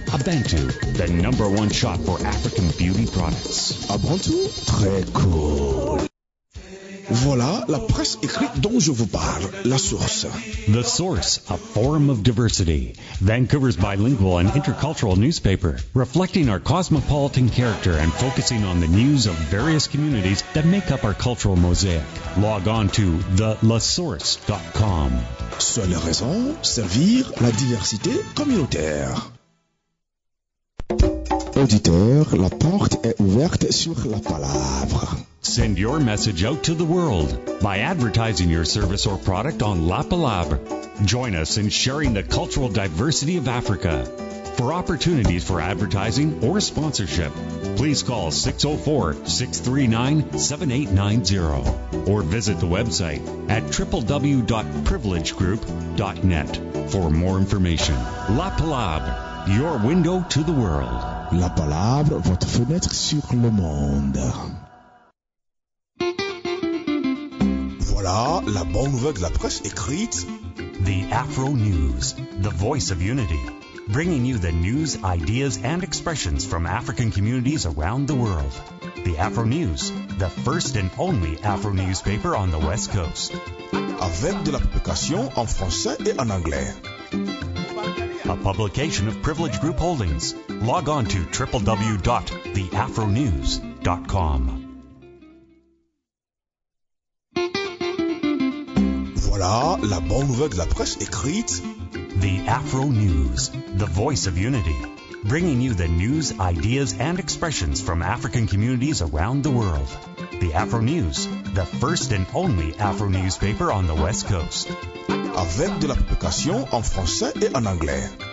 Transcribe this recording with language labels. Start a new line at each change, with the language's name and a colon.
English: Abantu, the number one shop for African beauty products.
French: Abantu, très cool. Voilà la presse écrite dont je vous parle, La Source.
English: The Source, a forum of diversity. Vancouver's bilingual and intercultural newspaper, reflecting our cosmopolitan character and focusing on the news of various communities that make up our cultural mosaic. Log on to thelasource.com.
French: Seule raison, servir la diversité communautaire. Auditeur, la porte est ouverte sur la palabre.
English: Send your message out to the world by advertising your service or product on La Palabre. Join us in sharing the cultural diversity of Africa. For opportunities for advertising or sponsorship, please call 604-639-7890 or visit the website at www.privilegegroup.net for more information. La Palabre, your window to the world.
French: La Palabre, votre fenêtre sur le monde. Voilà la bonne nouvelle de la presse écrite.
English: The Afro News, the voice of unity, bringing you the news, ideas, and expressions from African communities around the world. The Afro News, the first and only Afro newspaper on the West Coast.
French: Avec de la publication en français et en anglais.
English: A publication of Privilege Group Holdings. Log on to www.theafronews.com.
French: Voilà la bonne nouvelle de la presse écrite.
English: The Afro News, the voice of unity. Bringing you the news, ideas, and expressions from African communities around the world. The Afro News, the first and only Afro newspaper on the West Coast.
French: Avec de la publication en français et en anglais.